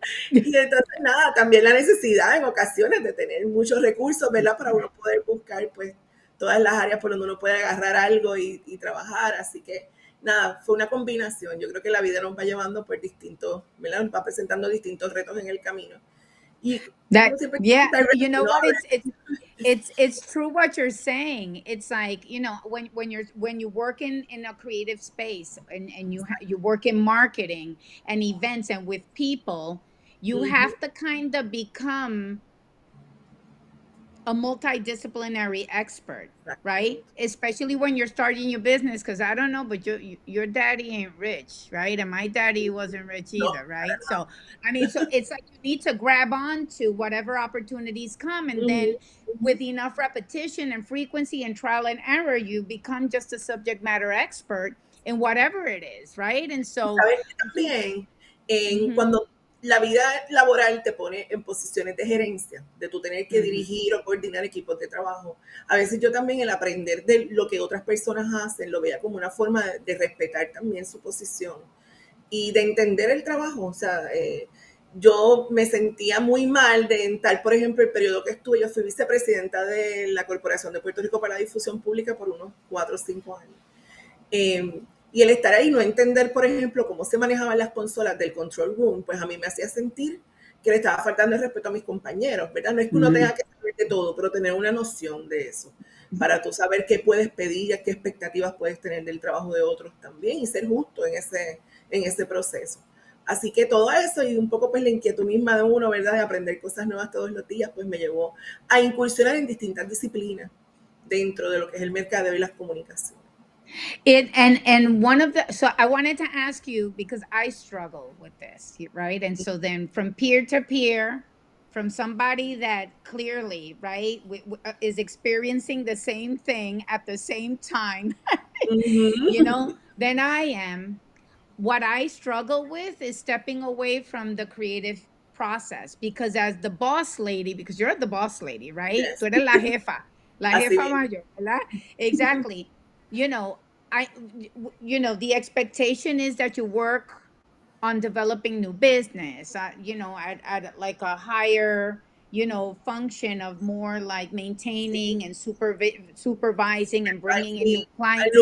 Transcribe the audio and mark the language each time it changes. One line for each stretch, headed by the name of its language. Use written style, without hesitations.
Spanish: Y entonces nada, también la necesidad en ocasiones de tener muchos recursos, ¿verdad? Para uno poder buscar pues todas las áreas por donde uno puede agarrar algo y trabajar. Así que, nada, fue una combinación. Yo creo que la vida nos va llevando por distintos, ¿verdad? Nos va presentando distintos retos en el camino. Y
English: that, yeah, you know, it's true what you're saying. It's like, you know, when you work in a creative space and you work in marketing and events and with people, you mm-hmm. have to kind of become a multidisciplinary expert, right? Especially when you're starting your business, because I don't know, but your daddy ain't rich, right? And my daddy wasn't rich either, no, right? So, I mean, so it's like you need to grab on to whatever opportunities come, and then with enough repetition and frequency and trial and error, you become just a subject matter expert in whatever it is, right? And so...
Spanish: También, cuando la vida laboral te pone en posiciones de gerencia, de tú tener que dirigir o coordinar equipos de trabajo. A veces yo también el aprender de lo que otras personas hacen, lo veía como una forma de respetar también su posición y de entender el trabajo. O sea, yo me sentía muy mal de entrar, por ejemplo, el periodo que estuve, yo fui vicepresidenta de la Corporación de Puerto Rico para la Difusión Pública por unos 4 o 5 años. Y el estar ahí, no entender, por ejemplo, cómo se manejaban las consolas del control room, pues a mí me hacía sentir que le estaba faltando el respeto a mis compañeros, ¿verdad? No es que uno tenga que saber de todo, pero tener una noción de eso, para tú saber qué puedes pedir, qué expectativas puedes tener del trabajo de otros también, y ser justo en ese proceso. Así que todo eso, y un poco pues la inquietud misma de uno, ¿verdad? De aprender cosas nuevas todos los días, pues me llevó a incursionar en distintas disciplinas dentro de lo que es el mercadeo y las comunicaciones.
English: And I wanted to ask you, because I struggle with this, right? And so then from peer to peer, from somebody that clearly, right, is experiencing the same thing at the same time, you know, than I am, what I struggle with is stepping away from the creative process, because as the boss lady, because you're the boss lady, right? Yes.
Spanish: Tú eres la jefa mayor, ¿verdad?
English: Exactly. You know, the expectation is that you work on developing new business, at like a higher, you know, function of more like maintaining and supervising and bringing in new clients.